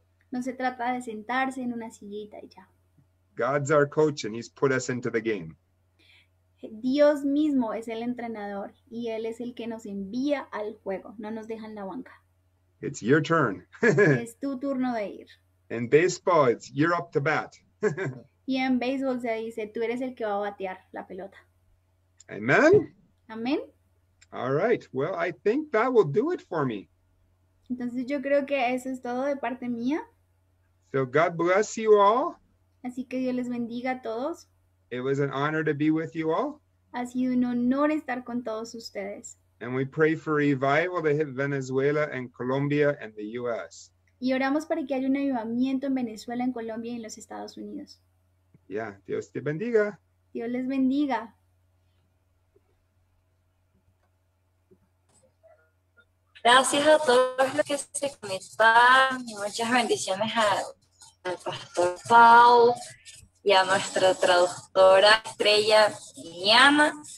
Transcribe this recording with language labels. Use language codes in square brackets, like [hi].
[es] No se trata de sentarse en una sillita y ya. [en] God's our coach and He's put us into the game. [es] Dios mismo es el entrenador y Él es el que nos envía al juego. No nos deja en la banca. [en] It's your turn. [es] Es tu turno de ir. [en] En baseball, it's you're up to bat. [es] Y en béisbol se dice, tú eres el que va a batear la pelota. [en] Amen. [es] Amén. [en] All right. Well, I think that will do it for me. [es] Entonces yo creo que eso es todo de parte mía. [en] So God bless you all. [es] Así que Dios les bendiga a todos. [en] It was an honor to be with you all. [es] Ha sido un honor estar con todos ustedes. [en] And we pray for revival to hit Venezuela and Colombia and the US. [es] Y oramos para que haya un avivamiento en Venezuela, en Colombia y en los Estados Unidos. Yeah, Dios te bendiga. Dios les bendiga. Gracias a todos los que se conectan y muchas bendiciones al pastor Paul y a nuestra traductora estrella, Diana.